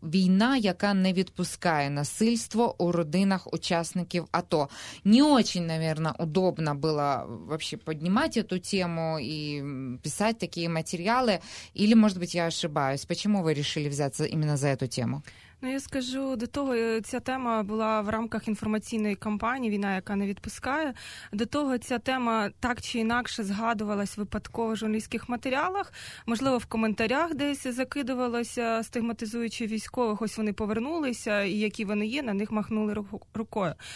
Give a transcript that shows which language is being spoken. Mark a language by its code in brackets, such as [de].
[uk] Війна, яка не відпускає насильство у родинах учасників АТО. [ru] Не очень, наверное, удобно было вообще поднимать эту тему и писать такие материалы. Или, может быть, я ошибаюсь. Почему вы решили взяться именно за эту тему? [uk] Ну, я скажу, до того ця тема була в рамках інформаційної кампанії «Війна, яка не відпускає». До того ця тема так чи інакше згадувалась випадково в журналістських матеріалах, можливо, в коментарях десь закидувалося, стигматизуючи військових, ось вони повернулися, і які вони є, на них махнули рукою.